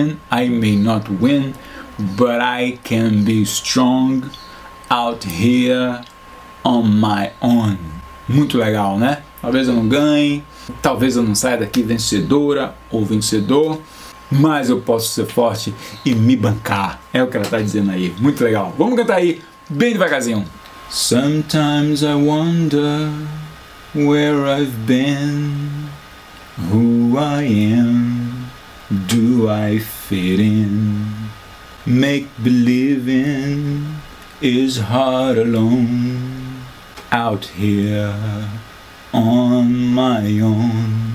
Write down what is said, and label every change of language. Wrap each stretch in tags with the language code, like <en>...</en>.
<en>I may not win, but I can be strong out here on my own.</en> <pt>Muito legal, né? Talvez eu não ganhe, talvez eu não saia daqui vencedora ou vencedor, mas eu posso ser forte e me bancar. É o que ela está dizendo aí. Muito legal. Vamos cantar aí, bem devagarzinho.</pt> <en>Sometimes I wonder where I've been, who I am, do I fit in? Make believing is hard alone, out here on my own.</en>